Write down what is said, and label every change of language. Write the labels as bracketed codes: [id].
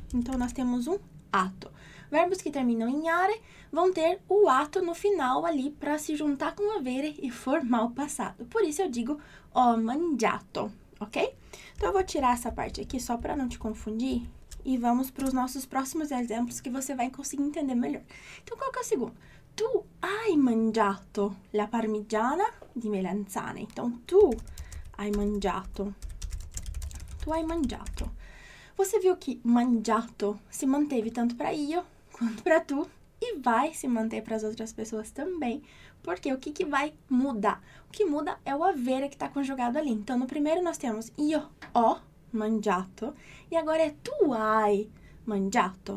[pt] Então, nós temos um ato. Verbos que terminam em are vão ter o ato no final ali para se juntar com avere e formar o passado. Por isso, eu digo [it] ho mangiato, [pt] ok? Então, eu vou tirar essa parte aqui só para não te confundir e vamos para os nossos próximos exemplos que você vai conseguir entender melhor. Então, qual que é o segundo? [it] Tu hai mangiato la parmigiana di melanzane. [pt] Então, [it] tu hai mangiato. Tu hai mangiato. [pt] Você viu que mangiato se manteve tanto para io quanto para tu e vai se manter para as outras pessoas também, porque o que que vai mudar? O que muda é o avere que está conjugado ali. Então, no primeiro nós temos [it] io ho mangiato [pt] e agora é [it] tu hai mangiato.